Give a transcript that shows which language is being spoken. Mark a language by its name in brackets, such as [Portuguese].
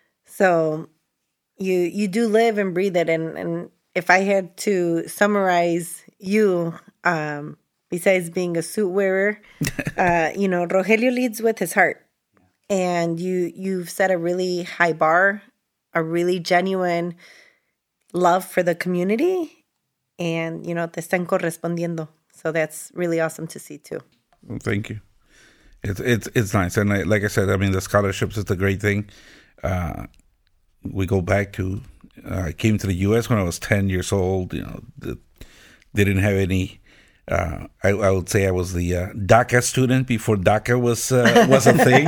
[English] So you do live and breathe it. And if I had to summarize you, besides being a suit wearer, you know, Rogelio leads with his heart. And you've set a really high bar, a really genuine love for the community. And, you know, [Spanish] te están correspondiendo. [English] So that's really awesome to see, too. Well, thank you. It's nice. And like I said, I mean, the scholarships is a great thing. We go back to, I came to the U.S. when I was 10 years old. You know, they didn't have any, I would say I was the DACA student before DACA was a thing.